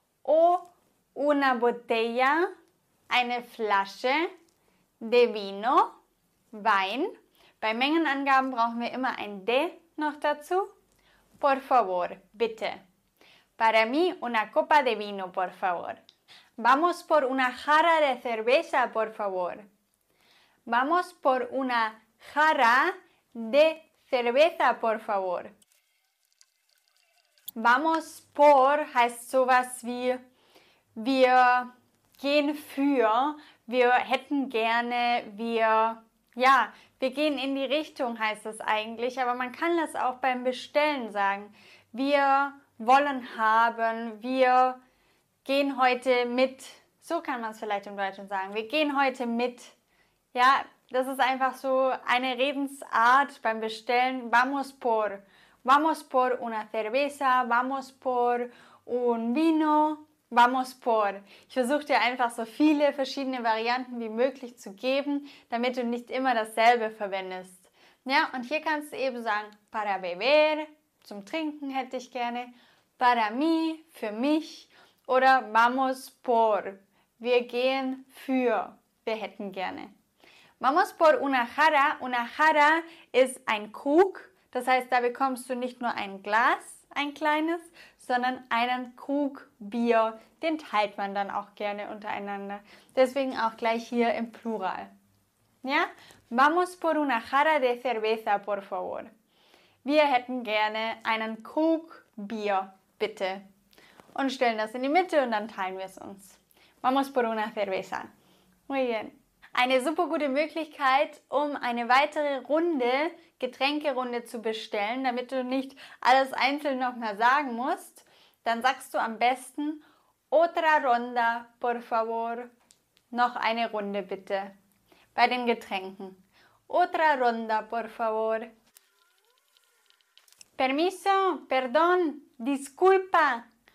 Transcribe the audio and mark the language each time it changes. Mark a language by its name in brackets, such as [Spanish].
[Spanish] O una botella, [German] eine Flasche. [Spanish] De vino, [German] Wein. Bei Mengenangaben brauchen wir immer ein de noch dazu. [Spanish] Por favor, [German] bitte. [Spanish] Para mí, una copa de vino, por favor. Vamos por una jarra de cerveza, por favor. Vamos por una jarra de cerveza, por favor. Vamos por [German] heißt sowas wie wir gehen für, wir hätten gerne, wir, ja, wir gehen in die Richtung heißt es eigentlich, aber man kann das auch beim Bestellen sagen. Wir wollen haben, wir gehen heute mit, so kann man es vielleicht im Deutschen sagen, wir gehen heute mit. Ja, das ist einfach so eine Redensart beim Bestellen. [Spanish] Vamos por una cerveza, vamos por un vino, vamos por. [German] Ich versuche dir einfach so viele verschiedene Varianten wie möglich zu geben, damit du nicht immer dasselbe verwendest. Ja, und hier kannst du eben sagen, [Spanish] para beber, [German] zum Trinken hätte ich gerne, [Spanish] para mí, [German] für mich, oder [Spanish] vamos por, [German] wir gehen für, wir hätten gerne. [Spanish] Vamos por una jarra. Una jarra [German] ist ein Krug. Das heißt, da bekommst du nicht nur ein Glas, ein kleines, sondern einen Krug Bier. Den teilt man dann auch gerne untereinander. Deswegen auch gleich hier im Plural. Ja? [Spanish] Vamos por una jarra de cerveza, por favor. [German] Wir hätten gerne einen Krug Bier, bitte. Und stellen das in die Mitte und dann teilen wir es uns. [Spanish] Vamos por una cerveza. Muy bien. [German] Eine super gute Möglichkeit, um eine weitere Runde, Getränkerunde zu bestellen, damit du nicht alles einzeln nochmal sagen musst. Dann sagst du am besten, [Spanish] otra ronda, por favor. [German] Noch eine Runde, bitte. Bei den Getränken. [Spanish] Otra ronda, por favor. Permiso, perdón, disculpa.